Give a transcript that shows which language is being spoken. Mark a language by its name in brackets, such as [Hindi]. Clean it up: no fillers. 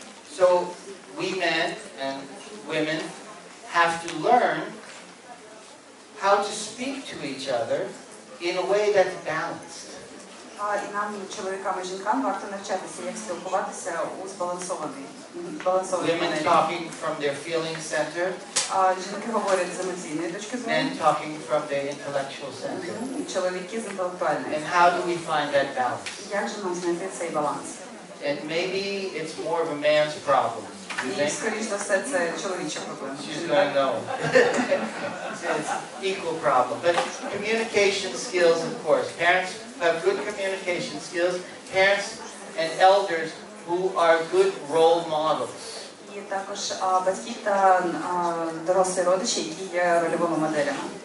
[English] So we men and women have to learn how to speak to each other in a way that's balanced. [Ukrainian] І нам, чоловікам і жінкам, варто навчатися, як спілкуватися у збалансованій [English] women [Ukrainian] манері. [English] Talking from their feeling center. [Ukrainian] Жінки говорять з емоційної точки зору. [English] Men talking from their intellectual center. [Ukrainian] Чоловіки з інтелектуальної. [English] And how do we find that balance? [Ukrainian] Як же нам знайти цей баланс? [English] And maybe it's more of a man's problem. [Ukrainian] І, скоріш за все, це чоловіча проблема. [English] She's going, no. It's equal problem. But communication skills, of course. Parents have good communication skills. Parents and elders who are good role models. [Ukrainian] І також батьки та дорослі родичі, які є рольовими моделями.